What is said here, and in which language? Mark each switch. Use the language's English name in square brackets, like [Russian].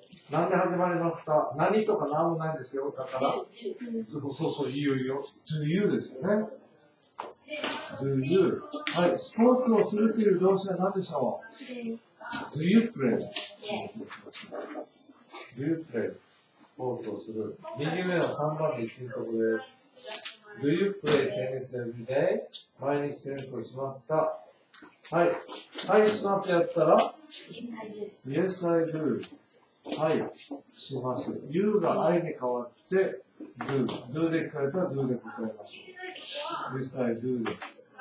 [Japanese] なんで始まりますか？何とか何もないですよ。だから、そう、いいよいいよ。 [English] do you [Japanese] ですよね。 [English] do you。 [Japanese] はい、スポーツをするという動詞は何でしょう [English] do you play?、do you play? [Japanese] スポーツをする。右上は3番で一番ここです。 [English] do you play tennis every day? [Japanese] 毎日テニスをしますか？はい。はい、しますやったら [English] Yes, I do. [Japanese] はい、します。 You が I に変わって、do。do で聞かれたら do で答えましょう。 [English] Yes, I do [Japanese] です。